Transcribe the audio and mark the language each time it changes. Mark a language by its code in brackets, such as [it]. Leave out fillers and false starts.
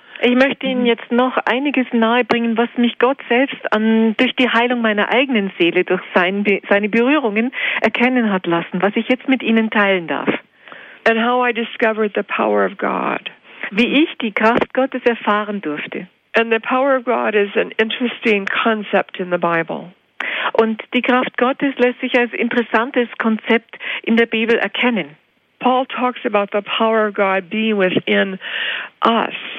[de] Ich möchte Ihnen jetzt noch einiges nahebringen, was mich Gott selbst durch die Heilung meiner eigenen Seele, durch seine Berührungen erkennen hat lassen, was ich jetzt mit Ihnen teilen darf. [en] And how I discovered the power of God. [de] Wie ich die Kraft Gottes erfahren durfte. [en] And the power of God is an interesting concept in the Bible. [de] Und die Kraft Gottes lässt sich als interessantes Konzept in der Bibel erkennen. [en] Paul talks about the power of God being within us.